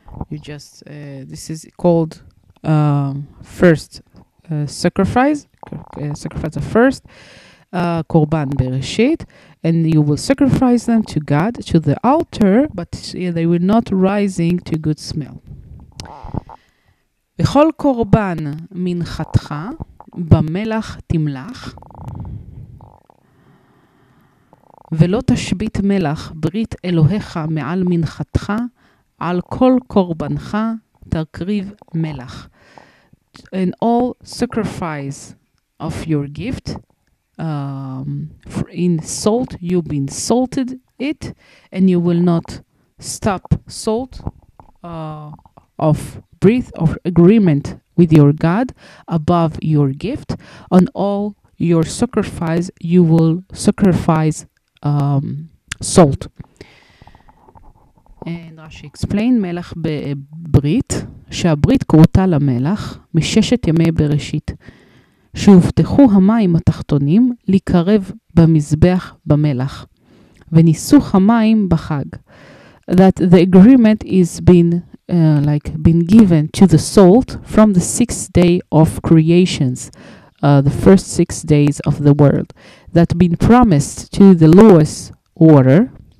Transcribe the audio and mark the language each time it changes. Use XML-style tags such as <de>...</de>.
<en>You just this is called first sacrifice of first korban bereshit, and you will sacrifice them to God to the altar, but they will not rising to good smell.</en> <he>בכל קורבן מנחתך במלח תמלח ולא תשבית מלח ברית אלוהיך מעל מנחתך על כל קורבנך Tarkriv Melach.</he> <en>And all sacrifice of your gift, in salt, you've been salted it, and you will not stop salt of breath of agreement with your God above your gift. On all your sacrifice, you will sacrifice salt. And Rashi explained,</en> <he>Melech be'brit, שהברית קרותה למלח מששת ימי בראשית, שהובטחו המים התחתונים לקרב במזבח במלח, וניסו המים בחג.</he> <en>That the agreement is been given to the salt from the sixth day of creations, the first six days of the world, that been promised to the lowest order,</en>